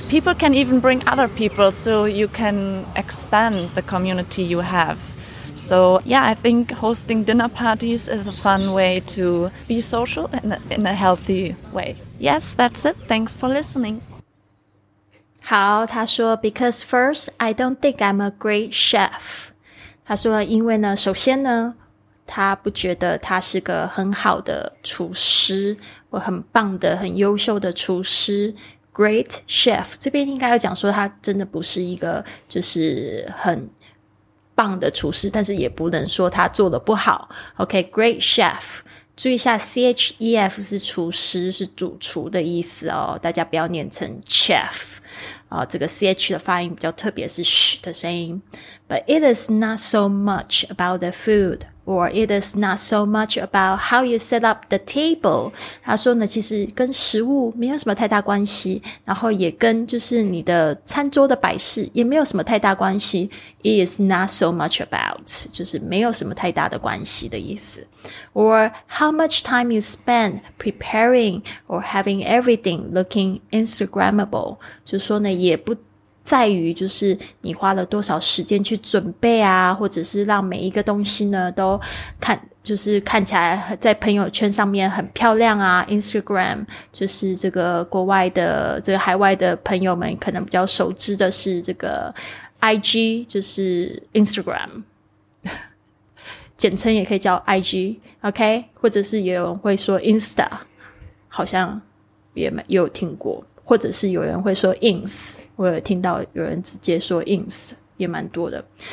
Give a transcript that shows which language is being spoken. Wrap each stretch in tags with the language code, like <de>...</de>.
<en>People can even bring other people, so you can expand the community you have. So yeah, I think hosting dinner parties is a fun way to be social in a healthy way. Yes, that's it. Thanks for listening.</en> <zh>好，他说</zh> <en>，because first, I don't think I'm a great chef.</en> <zh>他说，因为呢，首先呢，他不觉得他是个很好的厨师，或很棒的、很优秀的厨师。 Great chef 这边应该要讲说，他真的不是一个就是很棒的厨师，但是也不能说他做的不好。</zh> <en>OK，great chef。</en> <zh>注意一下 ，chef 是厨师，是主厨的意思哦，大家不要念成 chef。这个 CH 的发音比较特别是 SH 的声音。</zh> <en>But it is not so much about the food, or it is not so much about how you set up the table.</en> <zh>他说呢，其实跟食物没有什么太大关系，然后也跟就是你的餐桌的摆饰也没有什么太大关系。</zh> <en>It is not so much about,</en> <zh>就是没有什么太大的关系的意思。</zh> <en>Or how much time you spend preparing or having everything looking Instagrammable.</en> <zh>就说呢，也不在于就是你花了多少时间去准备啊，或者是让每一个东西呢都看，就是看起来在朋友圈上面很漂亮啊。 Instagram 就是这个国外的，这个海外的朋友们可能比较熟知的是这个 IG, 就是 Instagram 简称也可以叫 IG, OK, 或者是有人会说 Insta, 好像也有听过，或者是有人会说 Ins, 我有听到有人直接说 Ins, 也蛮多的。</zh>